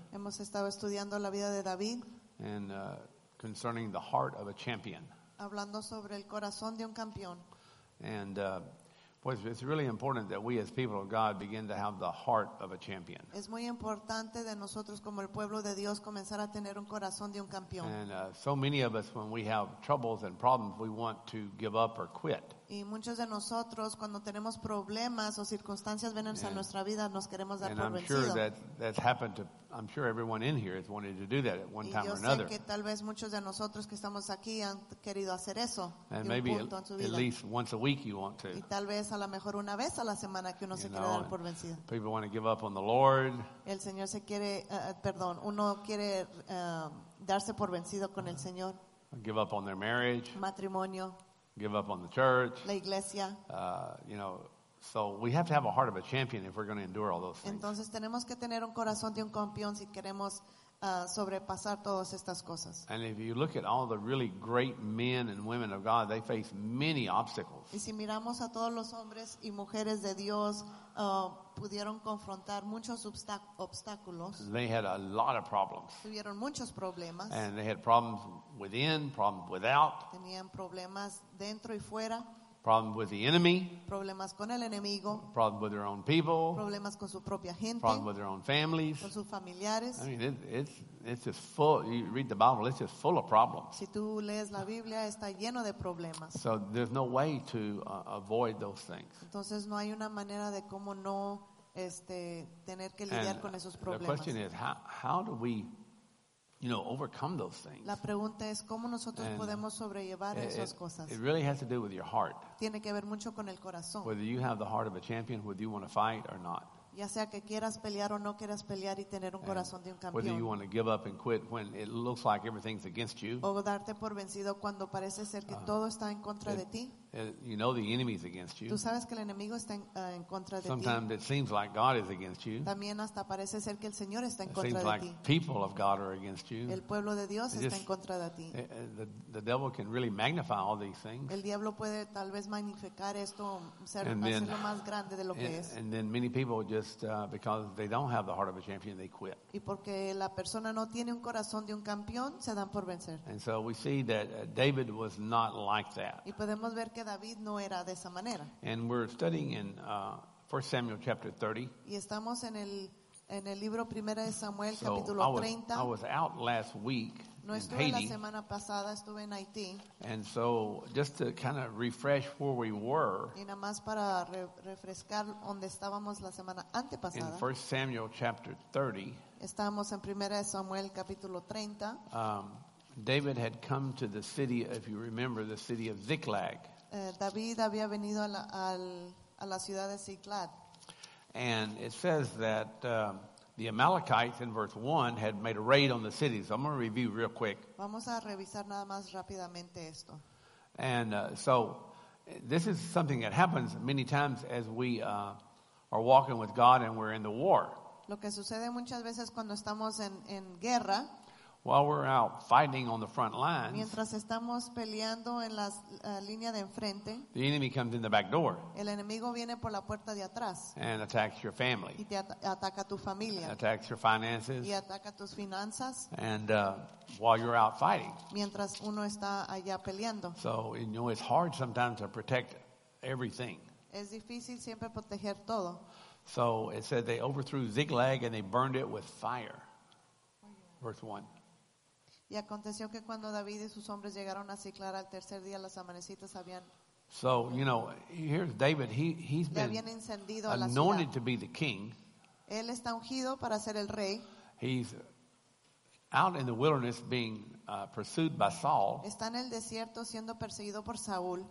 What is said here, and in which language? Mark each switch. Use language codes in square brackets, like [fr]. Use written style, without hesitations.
[es] Hemos estado estudiando la vida de David. [en] And concerning the heart of a champion. [es] Hablando sobre el corazón de un campeón. [en] And pues it's really important that we as people of God begin to have the heart of a champion. [es] Es muy importante de nosotros como el pueblo de Dios comenzar a tener un corazón de un campeón. [en] And so many of us, when we have troubles and problems, we want to give up or quit. [es] Y muchos de nosotros cuando tenemos problemas o circunstancias venenos a nuestra vida nos queremos dar por vencido. [en] And I'm sure that's happened to, I'm sure everyone in here has wanted to do that at one time or another. [es] Y yo sé que tal vez muchos de nosotros que estamos aquí han querido hacer eso. [en] And maybe at least once a week you want to. [es] Y tal vez a lo mejor una vez a la semana que uno se quiere dar por vencido. [en] People want to give up on the Lord. [es] El Señor se quiere, perdón, uno quiere darse por vencido con el Señor. [en] Give up on their marriage. [es] Matrimonio. [en] Give up on the church. [es] La iglesia. [en] So we have to have a heart of a champion if we're going to endure all those things. [es] Entonces tenemos que tener un corazón de un campeón si queremos sobrepasar todas estas cosas. [en] And if you look at all the really great men and women of God, they face many obstacles. [es] Y si miramos a todos los hombres y mujeres de Dios, pudieron confrontar muchos obstáculos. [en] They had a lot of problems. [es] Tuvieron muchos problemas. [en] And they had problems within, problems without. [es] Tenían problemas dentro y fuera. [en] Problems with the enemy. [es] Problemas con el enemigo. [en] Problems with their own people. [es] Problemas con su propia gente. [en] Problems with their own families. [es] Con sus familiares. [en] I mean, it's just full. You read the Bible; it's just full of problems. [es] Si tú lees la Biblia, está lleno de problemas. [en] So there's no way to avoid those things. [es] Entonces no hay una manera de cómo no tener que lidiar con esos problemas. [en] And the question is, how do we, overcome those things? [es] La pregunta es cómo nosotros podemos sobrellevar esas cosas. [en] It really has to do with your heart. [es] Tiene que ver mucho con el corazón. [en] Whether you have the heart of a champion, whether you want to fight or not. [es] Ya sea que quieras pelear o no quieras pelear y tener un corazón de un campeón. [en] Whether you want to give up and quit when it looks like everything's against you. [es] O darte por vencido cuando parece ser que todo está en contra de ti. [en] You know the enemy's against you. [es] Tú sabes que el enemigo está en contra de ti. [en] Sometimes it seems like God is against you. [es] También hasta parece ser que el Señor está en contra de ti. [en] It seems like people of God are against you. [es] El pueblo de Dios está en contra de ti. [en] The devil can really magnify all these things. [es] El diablo puede tal vez magnificar esto, hacerlo más grande de lo que es. [en] And then many people just because they don't have the heart of a champion, they quit. [es] Y porque la persona no tiene un corazón de un campeón, se dan por vencer. [en] And so we see that David was not like that. [es] Y podemos ver que David no era de esa manera. [en] And we're studying in 1 Samuel chapter 30. [es] Y estamos en el libro Primera de Samuel, capítulo 30. [en] I was out last week. [es] No estuve la semana pasada, estuve en Haití. [en] And so just to kind of refresh where we were. [es] Y nada más para refrescar donde estábamos la semana antepasada. [en] In 1 Samuel chapter 30. [es] Estamos en Primera de Samuel capítulo 30. [en] David had come to the city, if you remember, the city of Ziklag. [es] David había venido a la ciudad de Ziklag. [en] And it says that the Amalekites in verse 1 had made a raid on the city. So I'm going to review real quick. [es] Vamos a revisar nada más rápidamente esto. [en] And so this is something that happens many times as we are walking with God and we're in the war. [es] Lo que sucede muchas veces cuando estamos en guerra. [en] While we're out fighting on the front lines, [es] mientras estamos peleando en la línea de enfrente, [en] the enemy comes in the back door. [es] El enemigo viene por la puerta de atrás. [en] And attacks your family. [es] Y te ataca tu familia. [en] And attacks your finances. [es] Y ataca tus finanzas. [en] And while you're out fighting, [es] mientras uno está allá peleando. [en] So it's hard sometimes to protect everything. [es] Es difícil siempre proteger todo. [en] So it said they overthrew Ziklag and they burned it with fire. Verse 1. [es] Y aconteció que cuando David y sus hombres llegaron a Ziklag al tercer día, las amanecitas habían. [en] So, here's David. He's been [es] habían encendido [en] anointed [es] la ciudad. [en] To be the king. [es] Él está ungido para ser el rey. [en] He's out in the wilderness being pursued by Saul. [es] Está en el desierto siendo perseguido por Saúl.